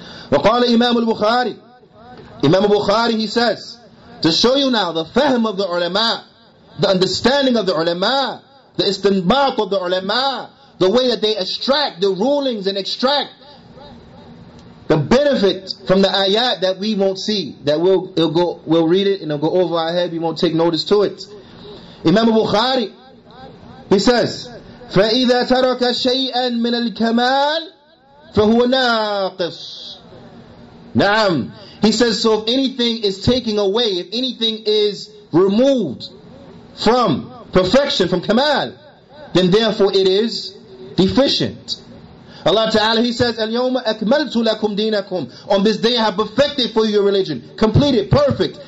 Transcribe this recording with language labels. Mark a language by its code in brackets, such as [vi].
[ar] وَقَالَ إِمَامُ الْبُخَارِ, [en] Imam Bukhari, he says, to show you now the fahm of the ulama, the understanding of the ulama, the istinbat of the ulama, the way that they extract the rulings and extract the benefit from the ayat that we won't see, that we'll read it and it'll go over our head, we won't take notice to it. Imam Bukhari, he says, [ar] فَإِذَا تَرَكَ شَيْئًا مِنَ الْكَمَالِ فَهُوَ نَاقِصُ. نعم. [en] He says, so if anything is taking away, if anything is removed from perfection, from kamal, then therefore it is deficient. Allah Ta'ala, He says, [ar] الْيَوْمَ أَكْمَلْتُ لَكُمْ دِينَكُمْ, [en] on this day I have perfected for you your religion, completed, perfect.